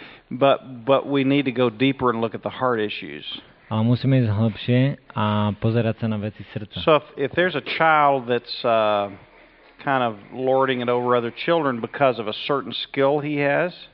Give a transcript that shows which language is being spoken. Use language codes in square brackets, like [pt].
[en] But we need to go deeper and look at the heart issues. [sk] Ale musíme ísť hlbšie a pozerať sa na veci srdca. [en] So if there's a child that's kind of lording it over other children because of a certain skill he has.